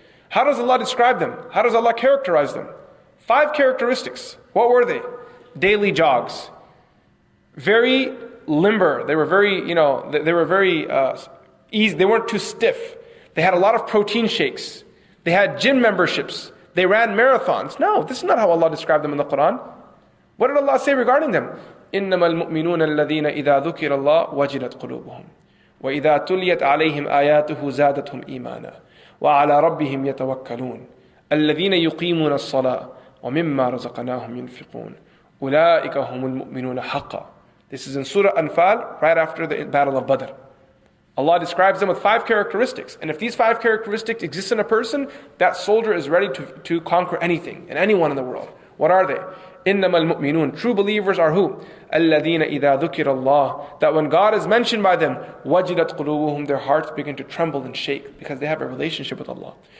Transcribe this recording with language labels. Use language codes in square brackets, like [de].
[en] How does Allah describe them? How does Allah characterize them? Five characteristics. What were they? Daily jogs. Very limber. They were very, you know, they were very easy. They weren't too stiff. They had a lot of protein shakes. They had gym memberships. They ran marathons. No, this is not how Allah described them in the Quran. What did Allah say regarding them? [ar] إنما المؤمنون الذين إذا ذكر الله وجلت قلوبهم وإذا تليت عليهم آياته زادتهم إيمانا وعلى ربهم يتوكلون الذين يقيمون الصلاة ومما رزقناهم ينفقون أولئك هم المؤمنون حقا. [en] This is in Surah Anfal, right after the Battle of Badr. Allah describes them with five characteristics. And if these five characteristics exist in a person, that soldier is ready to conquer anything and anyone in the world. What are they? [ar] إِنَّمَا الْمُؤْمِنُونَ [en] True believers are who? [ar] الَّذِينَ إِذَا ذُكِرَ اللَّهُ [en] That when God is mentioned by them, [ar] وَجِدَتْ قُلُوبُهُمْ [en] Their hearts begin to tremble and shake because they have a relationship with Allah.